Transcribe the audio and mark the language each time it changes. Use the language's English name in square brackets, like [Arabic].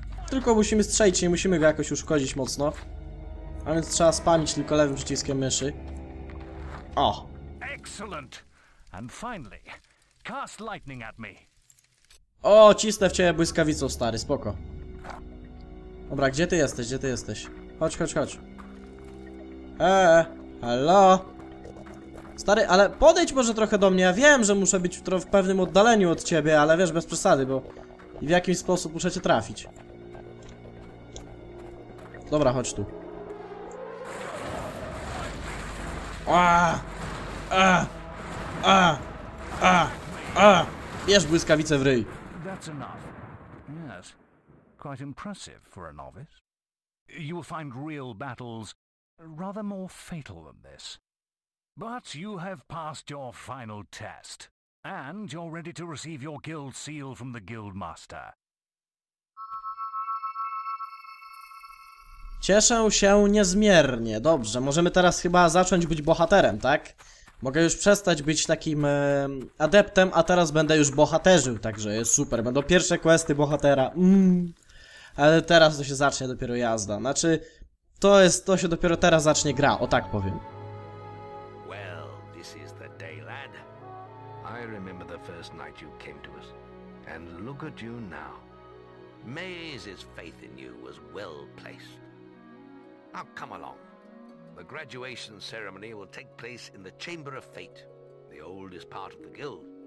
[Polish] Tylko musimy strzelić, nie musimy go jakoś uszkodzić mocno. A więc trzeba spamić tylko lewym przyciskiem myszy. O! [English] Excellent! And finally, cast lightning at me. [Polish] O, cisnę w ciebie błyskawicą, stary, spoko. Dobra, gdzie ty jesteś? Gdzie ty jesteś? Chodź, chodź, chodź. [English] Hello? [Polish] Stary, ale podejdź może trochę do mnie. Ja wiem, że muszę być w pewnym oddaleniu od ciebie, ale wiesz, bez przesady, bo w jakiś sposób muszę cię trafić. Dobra, chodź tu. Bierz błyskawicę w ryj. [English] That's enough. Yes. Quite impressive for a novice. You will find real battles rather more fatal than this. But you have passed your final test and you're ready to receive your guild seal from the guild master. [Polish] Cieszę się niezmiernie. Dobrze, możemy teraz chyba zacząć być bohaterem, tak? Mogę już przestać być takim adeptem, a teraz będę już bohaterzył, także jest super. Będą pierwsze questy bohatera. Ale teraz to się zacznie dopiero jazda. Znaczy, to się dopiero teraz zacznie gra, o tak powiem. [English] Well, this is the day, lad. I remember the first night you came to us. And look at you now. Maze's faith in you was well placed. Now come along. The graduation ceremony will take place in the Chamber of Fate, the oldest part of the guild.